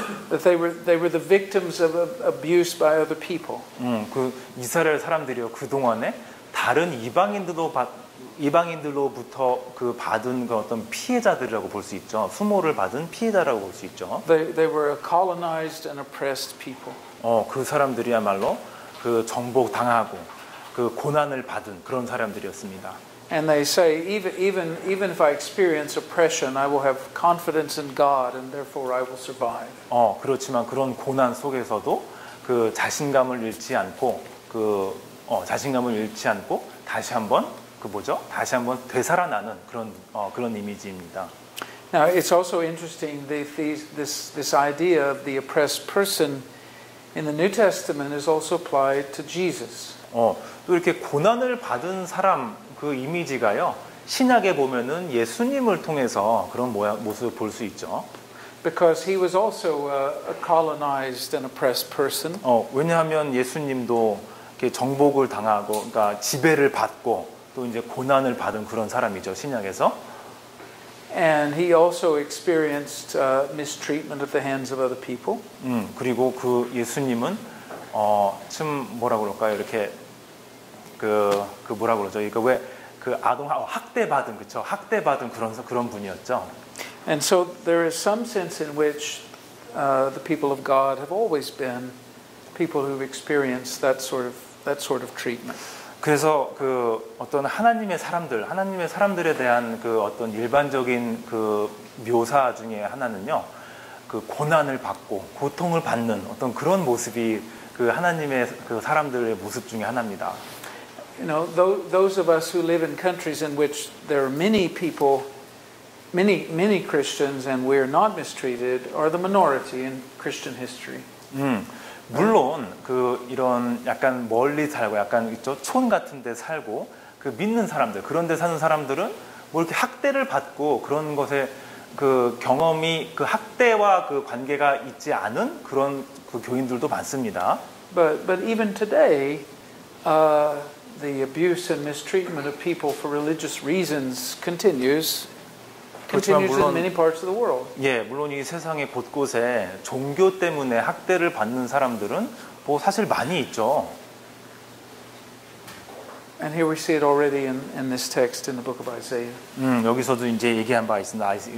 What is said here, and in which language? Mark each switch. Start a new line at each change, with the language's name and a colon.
English: That they were the victims of abuse by other people.
Korean: 그 이스라엘 사람들이요. 그동안에 다른 이방인들로부터 그 받은 그 어떤 피해자들이라고 볼 수 있죠. 수모를 받은 피해자라고 볼 수 있죠.
English: They were a colonized and oppressed people.
Korean: 그 사람들이야말로 그 정복당하고 그 고난을 받은 그런 사람들이었습니다.
English: And they say even if I experience oppression I will have confidence in God and therefore I will survive.
Korean: 그렇지만 그런 고난 속에서도 그 자신감을 잃지 않고 그 자신감을 잃지 않고 다시 한번 그 뭐죠? 다시 한번 되살아나는 그런 그런 이미지입니다.
English: Now it's also interesting this idea of the oppressed person in the New Testament is also applied to Jesus.
Korean: 또 이렇게 고난을 받은 사람 그 이미지가요. 신약에 보면은 예수님을 통해서 그런 모습을 볼 수 있죠.
English: Because he was also a colonized and oppressed person.
Korean: 왜냐하면 예수님도 이렇게 정복을 당하고 그러니까 지배를 받고 또 이제 고난을 받은 그런 사람이죠. 신약에서.
English: And he also experienced mistreatment at the hands of other people.
Korean: 그리고 그 예수님은 좀 뭐라고 그럴까요? 이렇게 그 뭐라고 그러죠? 그러니까 왜 그 아동 학대받은 그렇죠? 학대받은 그런 분이었죠.
English: And so there is some sense in which the people of God have always been people who've experienced that sort of treatment.
Korean: 그래서 그 어떤 하나님의 사람들에 대한 그 어떤 일반적인 그 묘사 중에 하나는요. 그 고난을 받고 고통을 받는 어떤 그런 모습이 그 하나님의 그 사람들의 모습 중에 하나입니다.
English: You know, those of us who live in countries in which there are many people, many Christians, and we are not mistreated, are the minority in Christian history.
Korean: 물론 그 이런 약간 멀리 살고 약간 있죠 촌 같은 데 살고 그 믿는 사람들 그런 데 사는 사람들은 뭐 이렇게 학대를 받고 그런 것에 그 경험이 그 학대와 그 관계가 있지 않은 그런 그 교인들도 많습니다.
English: But even today, the abuse and mistreatment of people for religious reasons continues
Korean: 물론,
English: in many parts of the world.
Korean: 예, 물론 이 세상의 곳곳에 종교 때문에 학대를 받는 사람들은 뭐 사실 많이 있죠.
English: And here we see it already in this text in the book of Isaiah.
Korean: 여기서도 이제 얘기한 바 있습니다.